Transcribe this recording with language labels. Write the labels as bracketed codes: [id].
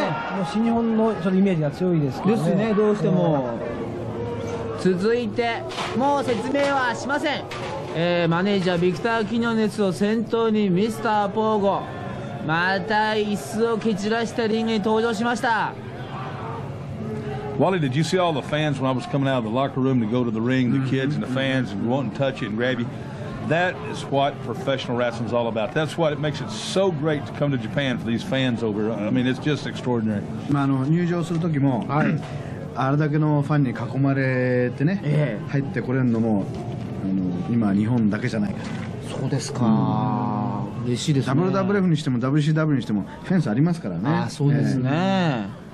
[ja] もう新日本のそのイメージが強いですけど、ね、ですね、どうしても、続いてもう説明はしません、マネージャービクター・キニョネスを先頭にミスター・ポーゴ、また椅子を蹴散らしたリングに登場しました。 [en] Wally, did you see all the fans when I was coming out of the locker room to go to the ring, the kids and the fans and wanting to touch you and grab you? That is what professional wrestling is all about. That's what it makes it so great to come to Japan for these fans over. I mean, it's just extraordinary. [ja] まあ、入場する時も、あれだけのファンに囲まれてね、入ってこれるのも、今日本だけじゃないか。そうですか。嬉しいですね。 WWF にしても WCW にしてもフェンスありますからね。あ、そうですね。